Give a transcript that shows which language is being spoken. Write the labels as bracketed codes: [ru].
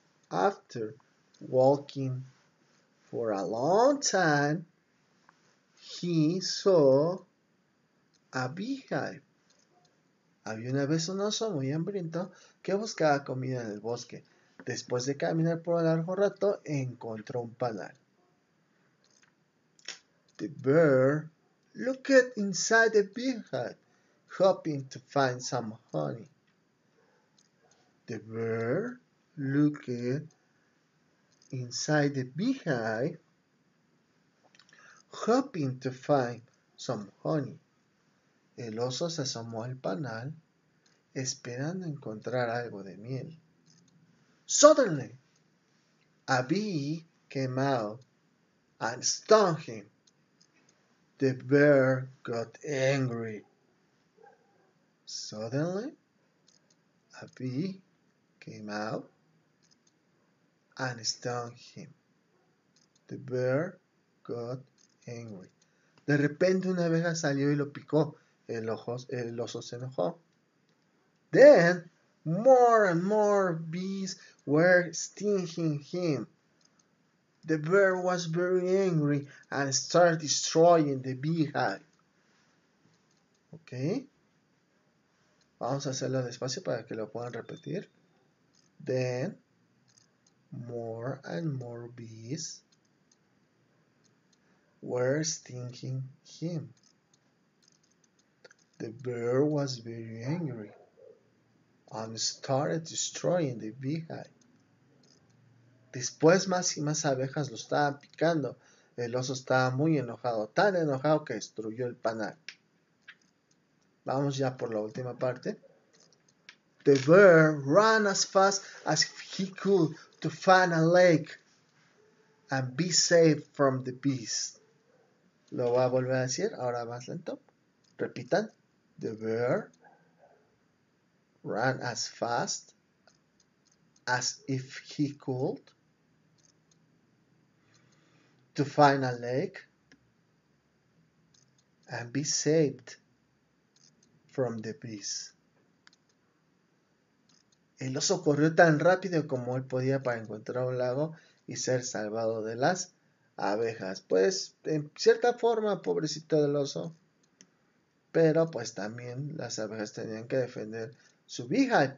[en] After walking for a long time, he saw a beehive. [es] Había una vez un oso muy hambriento que buscaba comida en el bosque. Después de caminar por un largo rato, encontró un panal. [en] The bear looked inside the beehive, hoping to find some honey. The bear looked inside the beehive, hoping to find some honey. [es] El oso se asomó al panal, esperando encontrar algo de miel. [en] Suddenly, a bee came out and stung him. The bear got angry. Suddenly, a bee came out and stung him. The bear got angry. [es] De repente una abeja salió y lo picó. El oso se enojó. [en] Then, more and more bees were stinging him. The bear was very angry and started destroying the beehive. ¿Ok? [es] Vamos a hacerlo despacio para que lo puedan repetir. [en] Then, more and more bees were stinging him. The bear was very angry and started destroying the beehive. [es] Después más y más abejas lo estaban picando. El oso estaba muy enojado, tan enojado que destruyó el panal. Vamos ya por la última parte. [en] The bear ran as fast as he could to find a lake and be safe from the beast. [es] Lo voy a volver a decir, ahora más lento. Repitan. [en] The bear ran as fast as if he could to find a lake and be saved from the beast. [es] El oso corrió tan rápido como él podía para encontrar un lago y ser salvado de las abejas. Pues, en cierta forma, pobrecito del oso. Pero, pues, también las abejas tenían que defender su beehive.